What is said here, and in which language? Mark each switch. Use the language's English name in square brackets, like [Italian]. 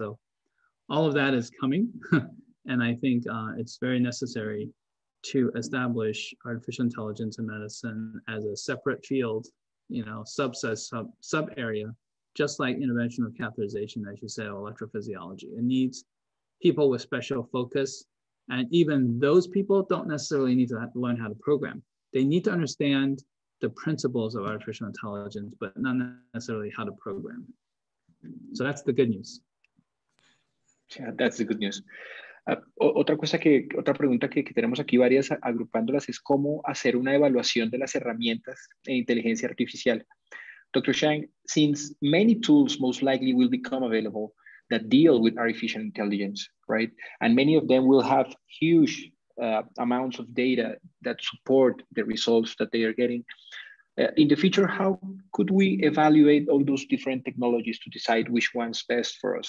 [English] So all of that is coming. And I think it's very necessary to establish artificial intelligence and medicine as a separate field, you know, sub area, just like interventional catheterization, as you say, or electrophysiology. It needs people with special focus. And even those people don't necessarily need to learn how to program. They need to understand the principles of artificial intelligence, but not necessarily how to program. So that's the good news. Yeah, that's the good news. [Spanish] Otra pregunta que tenemos aquí varias agrupándolas es cómo hacer una evaluación de las herramientas de inteligencia artificial. [English] Dr. Chang, since many tools most likely will become available that deal with artificial intelligence, right? And many of them will have huge amounts of data that support the results that they are getting. In the future, how could we evaluate all those different technologies to decide which one's best for us?